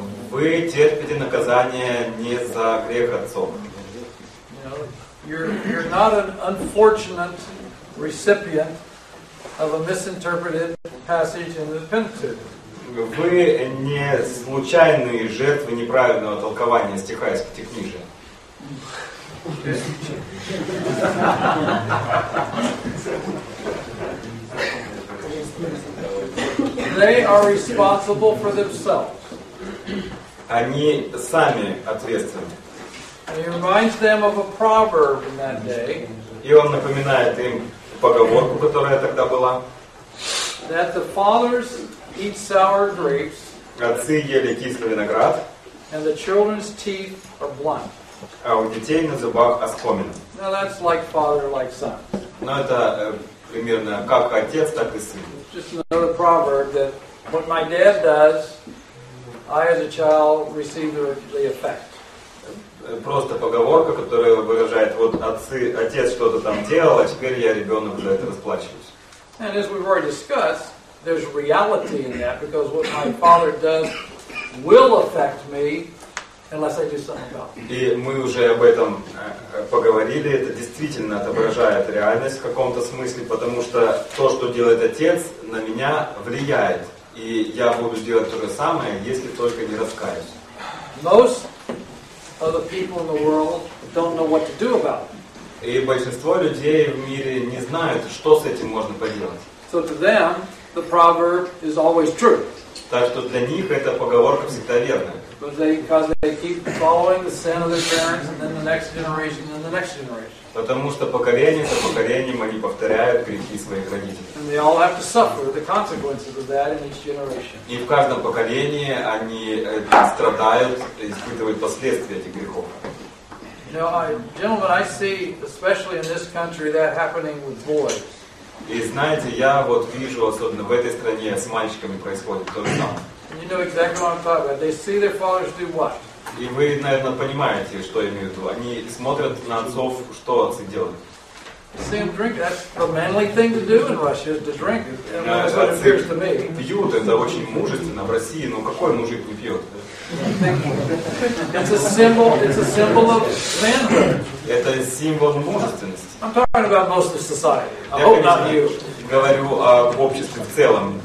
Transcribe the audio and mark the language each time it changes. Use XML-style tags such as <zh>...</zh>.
<ru>Вы терпите наказание не за грех отцов.</ru> <en>You're not an unfortunate recipient of a misinterpreted passage in the Pentateuch.</en> <ru>Вы не случайные жертвы неправильного толкования стиха из Пятикнижия.</ru> <en>They are responsible for themselves.</en> <ru>Они сами ответственны.</ru> <en>And he reminds them of a proverb in that day.</en> <ru>И он напоминает им поговорку, которая тогда была.</ru> <en>That the fathers eat sour grapes.</en> <ru>Отцы ели кислый виноград.</ru> <en>And the children's teeth are blunt.</en> <ru>А у детей на зубах оскомина.</ru> <en>Now that's like father, like son.</en> <ru>Но это примерно как отец, так и сын.</ru> <en>Just another proverb that what my dad does, I as a child receive the effect.</en> <ru>Просто поговорка, которая выражает, вот отец что-то там делал, а теперь я ребенок за это расплачиваюсь.</ru> <en>And as we've already discussed, there's reality in that, because what my father does will affect me unless I do something about it.</en> <ru>И мы уже об этом поговорили, это действительно отображает реальность в каком-то смысле, потому что то, что делает отец, на меня влияет. И я буду делать то же самое, если только не раскаюсь.</ru> <en>Most other people in the world don't know what to do about it.</en> <ru>И большинство людей в мире не знают, что с этим можно поделать.</ru> <en>So to them, the proverb is always true.</en> <ru>Так что для них эта поговорка всегда верная.</ru> <en>Because they keep following the sin of their parents, and then the next generation, and the next generation.</en> <ru>Потому что поколение за поколением они повторяют грехи своих родителей.</ru> <en>And they all have to suffer the consequences of that in each generation.</en> <ru>И в каждом поколении они страдают, испытывают последствия этих грехов.</ru> <en>Now, gentlemen, I see, especially in this country, that happening with boys.</en> <ru>И знаете, я вот вижу, особенно в этой стране, с мальчиками происходит то же самое.</ru> <en>You know exactly what I'm talking about. They see their fathers do what?</en> <ru>И вы, наверное, понимаете, что я имею в виду. Они смотрят на отцов, что отцы делают.</ru> <en>See them drink. That's the manly thing to do in Russia, is to drink.</en> <ru>Отцы пьют. Это очень мужественно. В России, ну какой мужик не пьет?</ru> <en>It's a symbol of manhood.</en> <ru>Это символ мужественности.</ru> <en>I'm talking about most of society. I hope not you.</en> <ru>Говорю о в обществе в целом.</ru>